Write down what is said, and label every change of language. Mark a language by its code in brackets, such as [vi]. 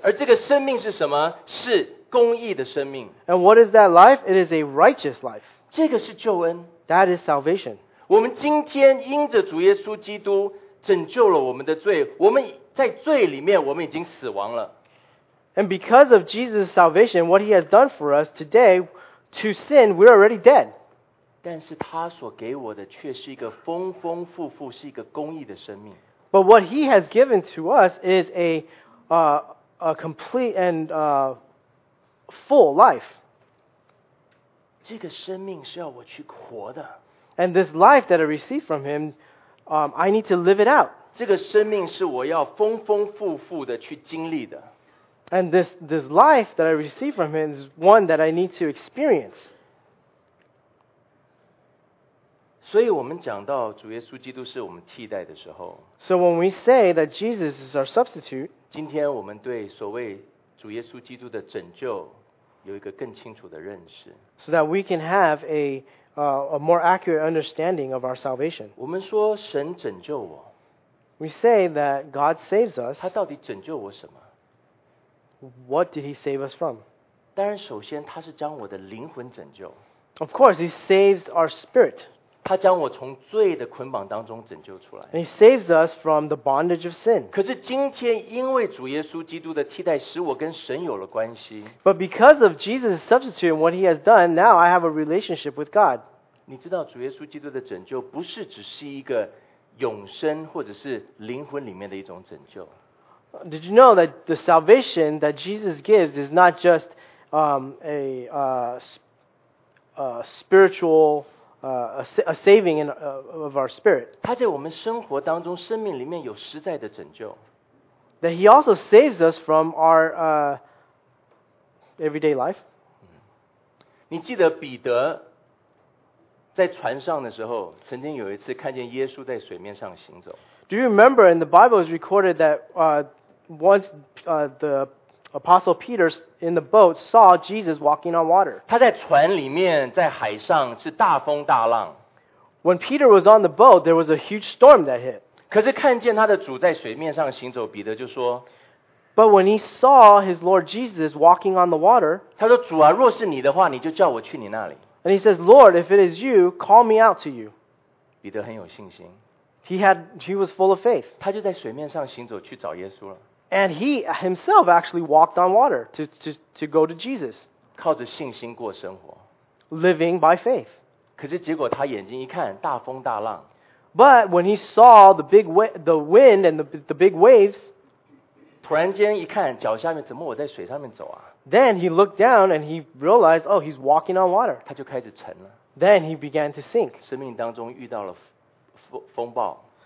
[zh] 而这个生命是什么？是公义的生命。 [en] And what is that life? It is a righteous life. [zh] 这个是救恩。 [en] That is salvation. [zh] 我们今天因着主耶稣基督拯救了我们的罪，我们在罪里面我们已经死亡了。 [en] And because of Jesus' salvation, what he has done for us today, to sin, we're already dead. [zh] 但是他所给我的却是一个丰丰富富，是一个公义的生命。 [en] But what he has given to us is a complete and full life. [zh] 这个生命是要我去活的。 [en] And this life that I received from him, I need to live it out. [zh] 这个生命是我要丰丰富富的去经历的。 [en] And this life that I received from him is one that I need to experience. [zh] 所以我们讲到主耶稣基督是我们替代的时候， [en] So when we say that Jesus is our substitute, [zh] 今天我们对所谓主耶稣基督的拯救有一个更清楚的认识， [en] So that we can have a more accurate understanding of our salvation. [zh] 我们说神拯救我， [en] We say that God saves us. [zh] 他到底拯救我什么？ [en] What did he save us from? [zh] 当然首先他是将我的灵魂拯救。 [en] Of course, he saves our spirit. [zh] 他将我从罪的捆绑当中拯救出来。 [en] And he saves us from the bondage of sin. [zh] 可是今天因为主耶稣基督的替代使我跟神有了关系。 [en] But because of Jesus' substitute and what he has done, now I have a relationship with God. [zh] 你知道主耶稣基督的拯救不是只是一个永生或者是灵魂里面的一种拯救。 [en] Did you know that the salvation that Jesus gives is not just a spiritual saving in, of our spirit? [zh] 他在我们生活当中生命里面有实在的拯救。 [en] That he also saves us from our everyday life? [zh] 你记得彼得在船上的时候，曾经有一次看见耶稣在水面上行走。 [en] Do you remember? And the Bible is recorded that the apostle Peter in the boat saw Jesus walking on water. [zh] 他在船里面，在海上是大风大浪。 [en] When Peter was on the boat, there was a huge storm that hit. [zh] 可是看见他的主在水面上行走，彼得就说。 [en] But when he saw his Lord Jesus walking on the water, [zh] 他说：“主啊，若是你的话，你就叫我去你那里。” [en] And he says, Lord, if it is you, call me out to you. [zh] 彼得很有信心。 [en] He was full of faith. [zh] 他就在水面上行走去找耶稣了。 [en] And he himself actually walked on water to go to Jesus. [zh] 靠着信心过生活。 [en] Living by faith. [zh] 可是结果他眼睛一看，大风大浪。 [en] But when he saw the wind and the big waves, [zh] 突然间一看，脚下面怎么我在水上面走啊？ [en] Then he looked down and he realized, oh, he's walking on water. [zh] 他就开始沉了。 [en] Then he began to sink. [zh] 生命当中遇到了风暴。